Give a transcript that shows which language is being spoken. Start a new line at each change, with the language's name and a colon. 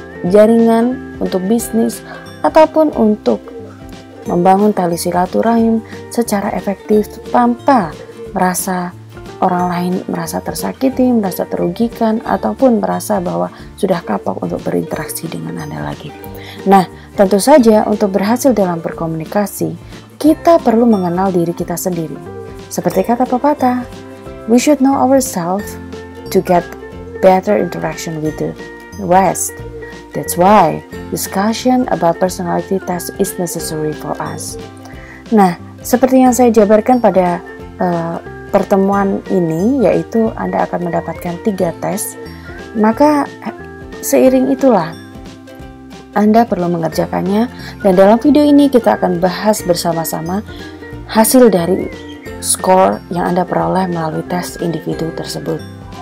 Indonesian: jaringan untuk bisnis, ataupun untuk membangun tali silaturahim secara efektif tanpa merasa orang lain merasa tersakiti, merasa terugikan, ataupun merasa bahwa sudah kapok untuk berinteraksi dengan Anda lagi. Nah, tentu saja untuk berhasil dalam berkomunikasi, kita perlu mengenal diri kita sendiri. Seperti kata pepatah,
English: we should know ourselves to get better interaction with the rest. That's why discussion about personality test is necessary for us.
Indonesian: Nah, seperti yang saya jabarkan pada pertemuan ini, yaitu Anda akan mendapatkan 3 tes, maka seiring itulah Anda perlu mengerjakannya, dan dalam video ini kita akan bahas bersama-sama hasil dari skor yang Anda peroleh melalui tes individu tersebut.